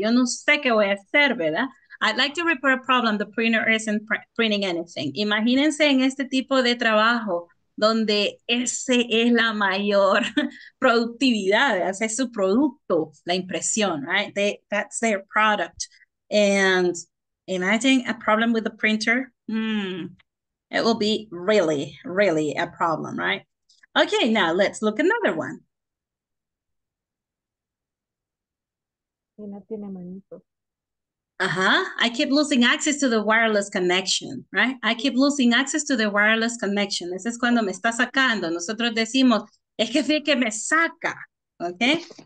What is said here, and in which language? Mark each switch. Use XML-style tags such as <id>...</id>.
<es>Yo no sé qué voy a hacer, ¿verdad?</es> <en>I'd like to report a problem. The printer isn't printing anything.</en> <es>Imagínense en este tipo de trabajo, donde ese es la mayor productividad, ese es su producto, la impresión, right?</es> <en>That's their product. And imagine a problem with the printer. It will be really, really a problem, right? Okay, now let's look another one. Uh-huh. I keep losing access to the wireless connection, right? I keep losing access to the wireless connection.</en> <es>Ese es cuando me está sacando. Nosotros decimos, es que fíjate que me saca, okay?</es>